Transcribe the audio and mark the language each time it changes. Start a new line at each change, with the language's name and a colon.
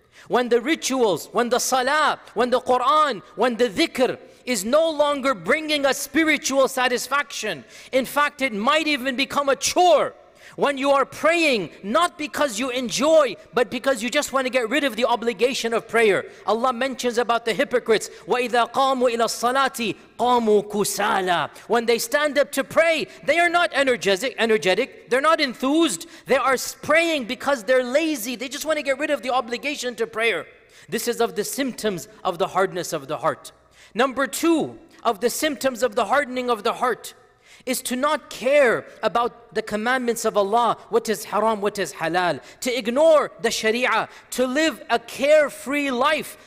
English: when the rituals, when the salah, when the Quran, when the dhikr is no longer bringing us spiritual satisfaction. In fact, it might even become a chore when you are praying, not because you enjoy, but because you just want to get rid of the obligation of prayer. Allah mentions about the hypocrites,
Arabic: وَإِذَا قَامُوا إِلَى الصَّلَاةِ قَامُوا كُسَالَى.
English: When they stand up to pray, they are not energetic, they're not enthused, they are praying because they're lazy, they just want to get rid of the obligation to prayer. This is of the symptoms of the hardness of the heart. Number two, of the symptoms of the hardening of the heart, is to not care about the commandments of Allah, what is haram, what is halal, to ignore the sharia, to live a carefree life.